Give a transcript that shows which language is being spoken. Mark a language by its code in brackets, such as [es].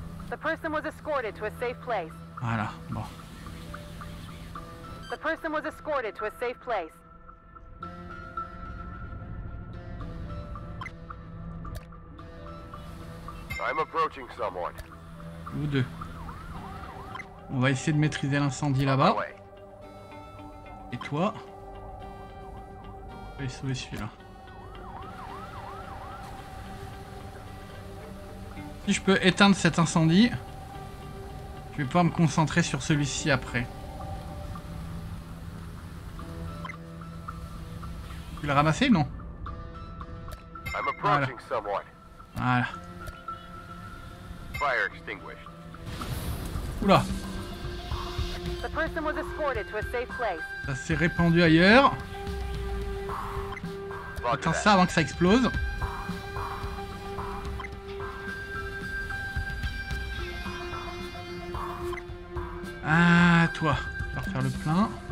[en] The person was escorted to a safe place. [fr] Voilà, bon. [en] The person was escorted to a safe place. I'm approaching someone. [fr] Vous deux. On va essayer de maîtriser l'incendie là-bas. Et toi? Je vais sauver celui-là. Si je peux éteindre cet incendie, je vais pouvoir me concentrer sur celui-ci après. Tu l'as ramassé, non? Voilà. Voilà. [en] Fire extinguished. [fr] Oula. [en] The person was escorted to a safe place. [fr] Ça s'est répandu ailleurs. Attends ça avant que ça explose. Ah toi, je vais refaire le plein.